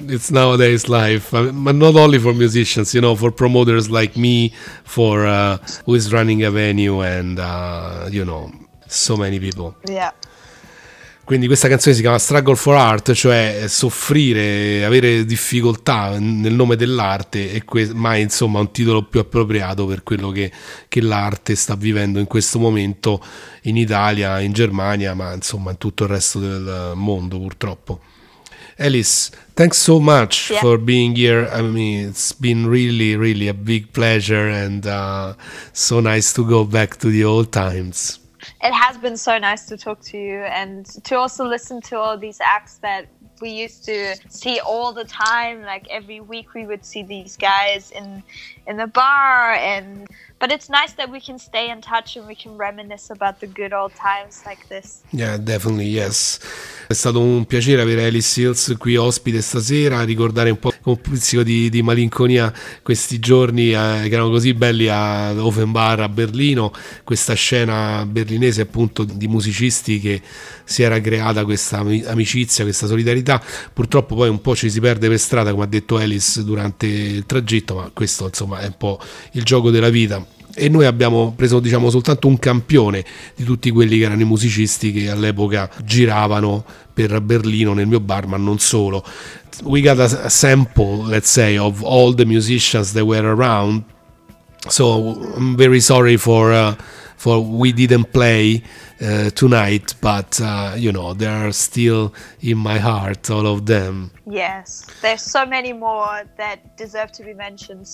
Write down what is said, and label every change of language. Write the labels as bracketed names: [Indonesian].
[English] It's nowadays life, but not only for musicians, you know, for promoters like me, for who is running a venue, and you know, so many people. Yeah. [Italian] Quindi questa canzone si chiama Struggle for Art, cioè soffrire, avere difficoltà nel nome dell'arte, ma insomma un titolo più appropriato per quello che l'arte sta vivendo in questo momento in Italia, in Germania, ma insomma in tutto il resto del mondo purtroppo. [English] Alice, thanks so much for being here. I mean, it's been really, really a big pleasure, and so nice to go back to the old times. It has been so nice to talk to you and to also listen to all these acts that we used to see all the time. Like every week we would see these guys in the bar, and but it's nice that we can stay in touch and we can reminisce about the good old times like this. Yeah, definitely, yes. [Italian] È stato un piacere avere Alice Hills qui ospite stasera, ricordare un po' con un pizzico di malinconia questi giorni che erano così belli a Offenbar a Berlino, questa scena berlinese appunto di musicisti che si era creata questa amicizia, questa solidarietà. Purtroppo poi un po' ci si perde per strada, come ha detto Alice durante il tragitto, ma questo insomma è un po' il gioco della vita. E noi abbiamo preso, diciamo, soltanto un campione di tutti quelli che erano i musicisti che all'epoca giravano per Berlino nel mio bar, ma non solo. [English] We got a sample, let's say, of all the musicians that were around. So I'm very sorry for we didn't play tonight, but you know, they are still in my heart, all of them. Yes, there's so many more that deserve to be mentioned.